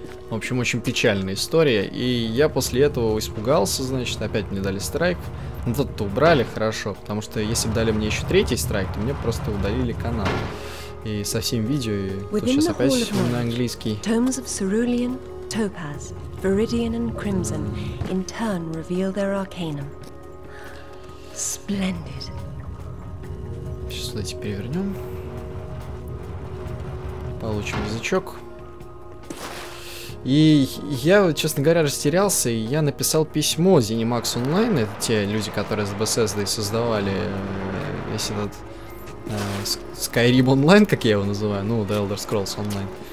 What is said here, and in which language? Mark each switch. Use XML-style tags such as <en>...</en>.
<ru>В общем, очень печальная история. И я после этого испугался, значит, опять мне дали страйк. Ну тут-то убрали, хорошо, потому что если бы дали мне еще третий страйк, то мне просто удалили канал. И со всем видео, и тут сейчас опять на английский.</ru> <en>Tomes of Cerulean, Topaz, Viridian and Crimson in turn reveal their arcanum. Splendid.</en> <ru>Сейчас давайте перевернем. Получим язычок. И я, честно говоря, растерялся, и я написал письмо ZeniMax Online, это те люди, которые с Bethesda создавали весь этот Skyrim Online, как я его называю, ну, The Elder Scrolls Online.</ru>